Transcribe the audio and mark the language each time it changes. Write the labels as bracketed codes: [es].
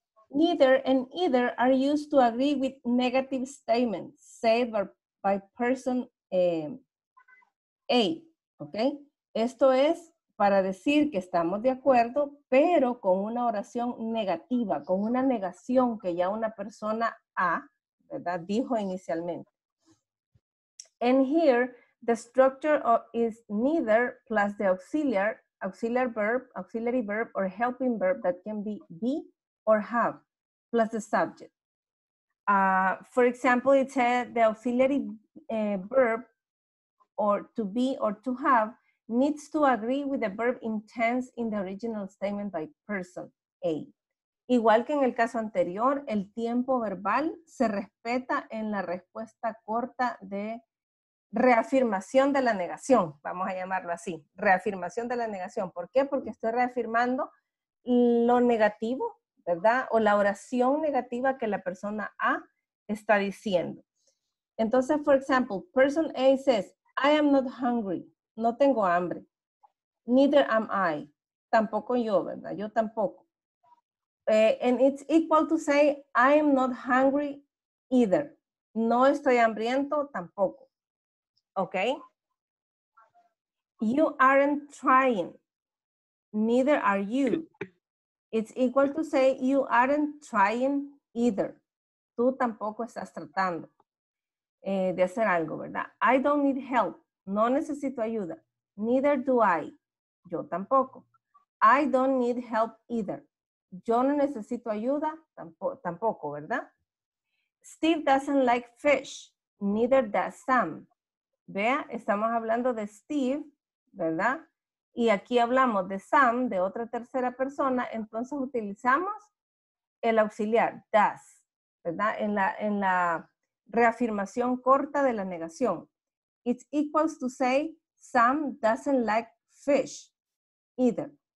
[en] Neither and either are used to agree with negative statements said by person A, okay? [es] Esto es para decir que estamos de acuerdo, pero con una oración negativa, con una negación que ya una persona A, ¿verdad?, dijo inicialmente. [en] And here, the structure is neither plus the auxiliary verb or helping verb that can be or have, plus the subject. For example, it said the auxiliary verb or to be or to have needs to agree with the verb in tense in the original statement by person A. [es] Igual que en el caso anterior, el tiempo verbal se respeta en la respuesta corta de reafirmación de la negación, vamos a llamarlo así, reafirmación de la negación. ¿Por qué? Porque estoy reafirmando lo negativo, ¿verdad? O la oración negativa que la persona A está diciendo. Entonces, [en] for example, person A says, I am not hungry. [es] No tengo hambre. [en] Neither am I. [es] Tampoco yo, ¿verdad? Yo tampoco. [en] And it's equal to say, I am not hungry either. [es] No estoy hambriento tampoco. Okay? [en] You aren't trying. Neither are you. It's equal to say, you aren't trying either. [es] Tú tampoco estás tratando de hacer algo, ¿verdad? [en] I don't need help. [es] No necesito ayuda. [en] Neither do I. [es] Yo tampoco. [en] I don't need help either. [es] Yo no necesito ayuda. Tampoco, ¿verdad? [en] Steve doesn't like fish. Neither does Sam. [es] Vea, estamos hablando de Steve, ¿verdad? Y aquí hablamos de Sam, de otra tercera persona. Entonces utilizamos el auxiliar, does, ¿verdad? En la reafirmación corta de la negación. [en] It's equals to say Sam doesn't like fish either.